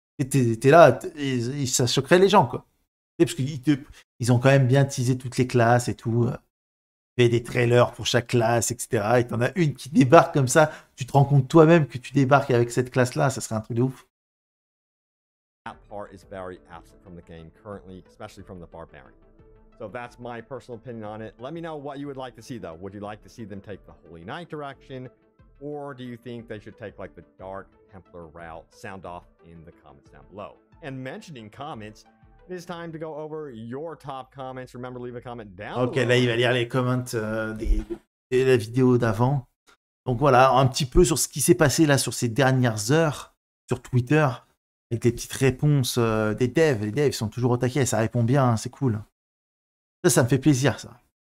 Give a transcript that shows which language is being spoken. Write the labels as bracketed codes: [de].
[fr] T'es là, ça choquerait les gens, quoi. T'es, parce qu'ils ont quand même bien teasé toutes les classes et tout. Fait des trailers pour chaque classe, etc. Et t'en as une qui débarque comme ça, tu te rends compte toi-même que tu débarques avec cette classe-là, ça serait un truc de ouf. [en] That part is very absent from the game currently, especially from the barbarian. So that's my personal opinion on it. Let me know what you would like to see, though. Would you like to see them take the Holy Knight direction, or do you think they should take like the Dark Templar route? Sound off in the comments down below. And mentioning comments. It is time to go over your top comments. Remember, leave a comment down below. [fr] Okay, là, il va lire les comments de la vidéo d'avant. Donc voilà, un petit peu sur ce qui s'est passé là sur ces dernières heures sur Twitter avec les petites réponses des devs. Les devs sont toujours au taquet, ça répond bien, hein, c'est cool. Ça me fait plaisir, ça.